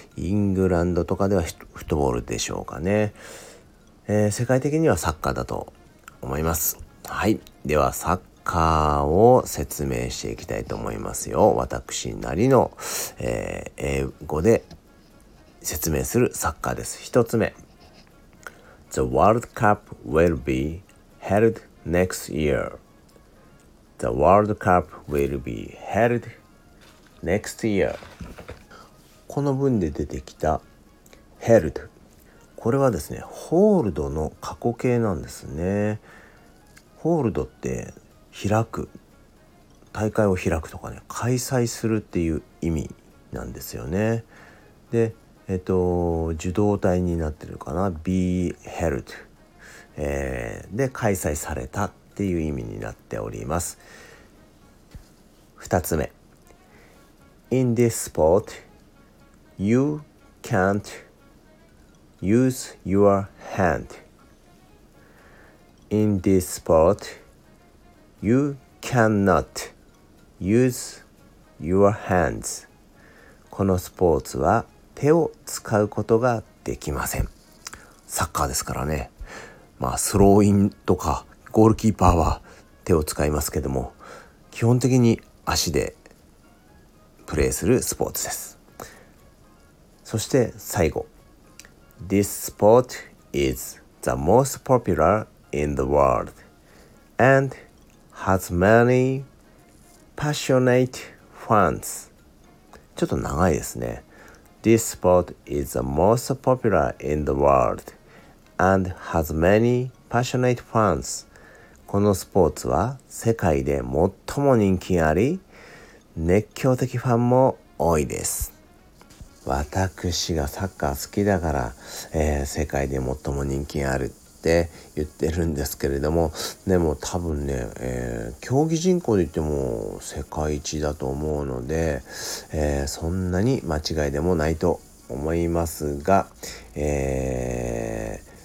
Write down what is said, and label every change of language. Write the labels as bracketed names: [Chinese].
[Japanese] イングランドとかではフットボールでしょうかね。世界的にはサッカーだと思います。はい、ではサッカーを説明していきたいと思いますよ。私なりの、英語で説明するサッカーです。 1つ目、 [English] The World Cup will be held next year. The World Cup will be held next year. [Japanese] この文で出てきた held、これはですね、hold の過去形なんですね。 hold って開く、大会を開くとかね、開催するっていう意味なんですよね。で、受動態になってるかな、 be held、で開催されたっていう意味になっております。 2つ目、 [English] In this sport you can't use your hand. In this sport you cannot use your hands. [Japanese] このスポーツは手を使うことができません。サッカーですからね。まあスローインとかゴールキーパーは手を使いますけども、基本的に足でプレーするスポーツです。そして最後、 [English] This sport is the most popular in the world and has many passionate fans. [Japanese] ちょっと長いですね。 [English] This sport is the most popular in the world and has many passionate fans. [Japanese] このスポーツは世界で最も人気があり、熱狂的ファンも多いです。私がサッカー好きだから、世界で最も人気あるって言ってるんですけれども、でも多分ね、競技人口で言っても世界一だと思うので、そんなに間違いでもないと思いますが、ね、